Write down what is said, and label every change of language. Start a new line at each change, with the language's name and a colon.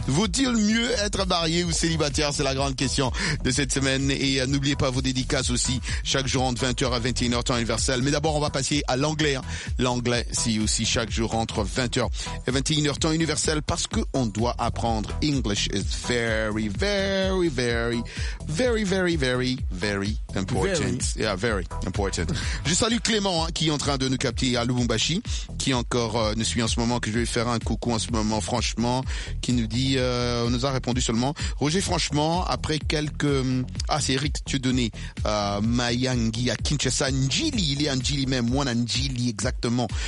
French: Vaut-il mieux être marié ou célibataire? C'est la grande question de cette semaine. Et n'oubliez pas vos dédicaces aussi. Chaque jour entre 20h à 21h temps universel. Mais d'abord, on va passer à l'anglais. Hein. L'anglais, c'est aussi chaque jour entre 20h et 21h temps universel. Parce que on doit apprendre.
English: English is very, very, very, very, very, very, very important. Very. Yeah, very important.
French: Je salue Clément, hein, qui est en train de nous capter à Lubumbashi, qui encore nous suit en ce moment, que je vais faire un coucou en ce moment, franchement, qui nous dit, on nous a répondu seulement, Roger, franchement, après quelques... Ah, c'est Eric, tu as donné Mayangi à Kinshasa, Njili, il est Njili même, moi Njili, exactement.